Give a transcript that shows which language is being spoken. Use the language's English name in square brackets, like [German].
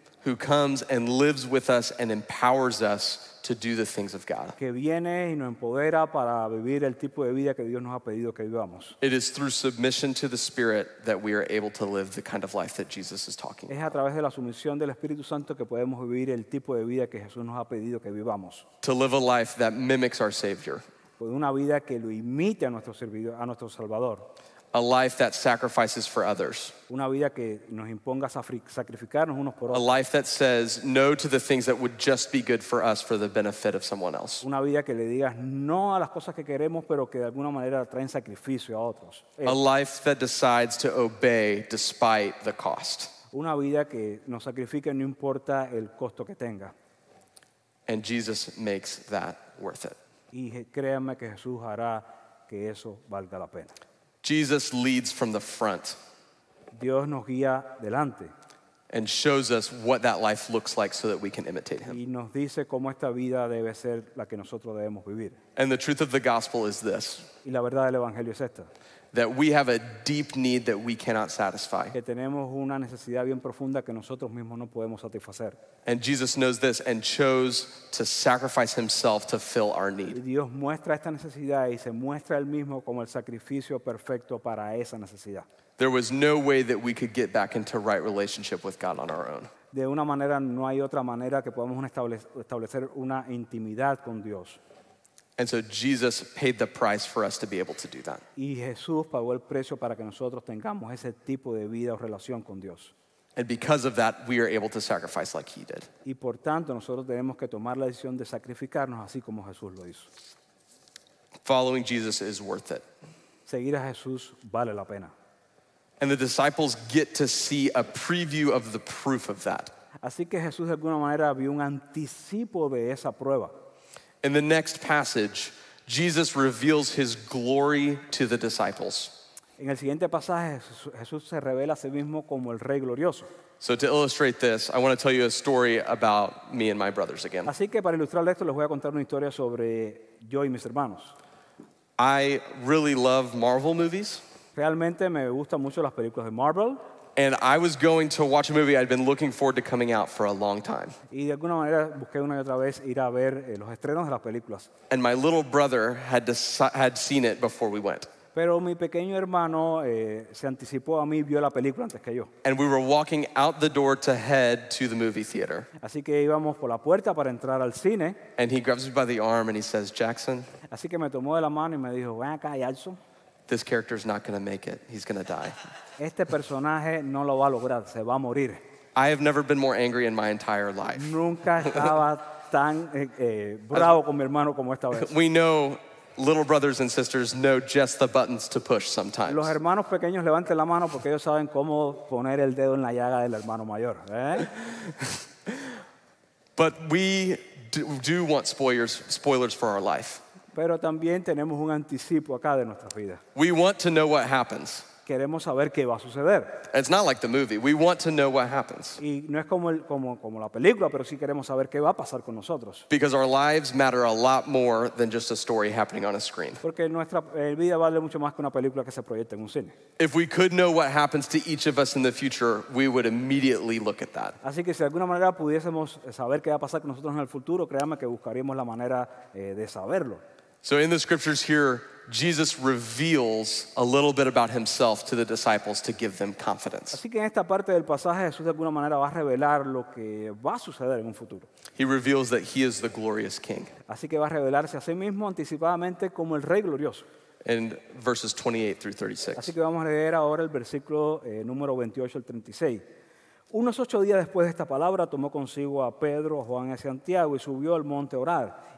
[English] Who comes and lives with us and empowers us to do the things of God. [Spanish] Que viene y nos empodera para vivir el tipo de vida que Dios nos ha pedido que vivamos. [English] It is through submission to the Spirit that we are able to live the kind of life that Jesus is talking about. [Spanish] Es a través de la sumisión del Espíritu Santo que podemos vivir el tipo de vida que Jesús nos ha pedido que vivamos. [English] To live a life that mimics our Savior. [Spanish] Pues una vida que lo imite a nuestro servidor, a nuestro Salvador. [English] A life that sacrifices for others. [Spanish] Una vida que nos imponga sacrificarnos unos por otros. [English] A life that says no to the things that would just be good for us for the benefit of someone else. [Spanish] Una vida que le digas no a las cosas que queremos, pero que de alguna manera traen sacrificio a otros. [English] A life that decides to obey despite the cost. [Spanish] Una vida que nos sacrifique no importa el costo que tenga. [English] And Jesus makes that worth it. [Spanish] Y créanme que Jesús hará que eso valga la pena. [English] Jesus leads from the front. [Spanish] Dios nos guía delante. [English] And shows us what that life looks like so that we can imitate Him. [Spanish] Y nos dice cómo esta vida debe ser la que nosotros debemos vivir. [English] And the truth of the gospel is this. [Spanish] Y la verdad del evangelio es esta. [English] That we have a deep need that we cannot satisfy. [Spanish] Que tenemos una necesidad bien profunda que nosotros mismos no podemos satisfacer. [English] And Jesus knows this and chose to sacrifice Himself to fill our need. [Spanish] Dios muestra esta necesidad y se muestra Él mismo como el sacrificio perfecto para esa necesidad. [English] There was no way that we could get back into right relationship with God on our own. [Spanish] De una manera, no hay otra manera que podamos establecer una intimidad con Dios. [English] And so Jesus paid the price for us to be able to do that. [Spanish] Y Jesús pagó el precio para que nosotros tengamos ese tipo de vida o relación con Dios. [English] And because of that, we are able to sacrifice like He did. [Spanish] Y por tanto, nosotros tenemos que tomar la decisión de sacrificarnos así como Jesús lo hizo. [English] Following Jesus is worth it. [Spanish] Seguir a Jesús vale la pena. [English] And the disciples get to see a preview of the proof of that. [Spanish] Así que Jesús de alguna manera vio un anticipo de esa prueba. [English] In the next passage, Jesus reveals His glory to the disciples. [Spanish] En el siguiente pasaje, Jesús se revela a sí mismo como el Rey glorioso. [English] So to illustrate this, I want to tell you a story about me and my brothers again. [Spanish] Así que para ilustrar esto, les voy a contar una historia sobre yo y mis hermanos. [English] I really love Marvel movies. [Spanish] Realmente me gustan mucho las películas de Marvel. [English] And I was going to watch a movie I'd been looking forward to coming out for a long time. [Spanish] Y de alguna manera busqué una y otra vez ir a ver los estrenos de las películas. [English] And my little brother had seen it before we went. [Spanish] Pero mi pequeño hermano se anticipó a mí, vio la película antes que yo. [English] And we were walking out the door to head to the movie theater. [Spanish] Así que íbamos por la puerta para entrar al cine. [English] And he grabs me by the arm and he says, Jackson. [Spanish] Así que me tomó de la mano y me dijo, ven acá, Jackson. [English] This character is not going to make it. He's going to die. [Spanish] Este personaje no lo va a lograr. Se va a morir. [English] I have never been more angry in my entire life. [Spanish] Nunca estaba tan bravo con mi hermano como esta vez. [English] We know little brothers and sisters know just the buttons to push sometimes. [Spanish] Los hermanos pequeños levanten la mano porque ellos saben cómo poner el dedo en la llaga del hermano mayor. [English] But we do want spoilers for our life. [Spanish] Pero también tenemos un anticipo acá de nuestra vida. [English] We want to know what happens. [Spanish] Queremos saber qué va a suceder. [English] It's not like the movie. We want to know what happens. [Spanish] Y no es como como la película, pero sí queremos saber qué va a pasar con nosotros. [English] Because our lives matter a lot more than just a story happening on a screen. [Spanish] Porque nuestra vida vale mucho más que una película que se proyecta en un cine. [English] If we could know what happens to each of us in the future, we would immediately look at that. [Spanish] Así que si de alguna manera pudiésemos saber qué va a pasar con nosotros en el futuro, créanme que buscaríamos la manera de saberlo. [English] So in the scriptures here, Jesus reveals a little bit about himself to the disciples to give them confidence. [Spanish] Así que en esta parte del pasaje Jesús de alguna manera va a revelar lo que va a suceder en un futuro. [English] He reveals that he is the glorious king. [Spanish] Así que va a revelarse a sí mismo anticipadamente como el rey glorioso. [English] In verses 28 through 36. [Spanish] Así que vamos a leer ahora el versículo número 28 al 36. Unos ocho días después de esta palabra, tomó consigo a Pedro, Juan y Santiago y subió al monte a orar.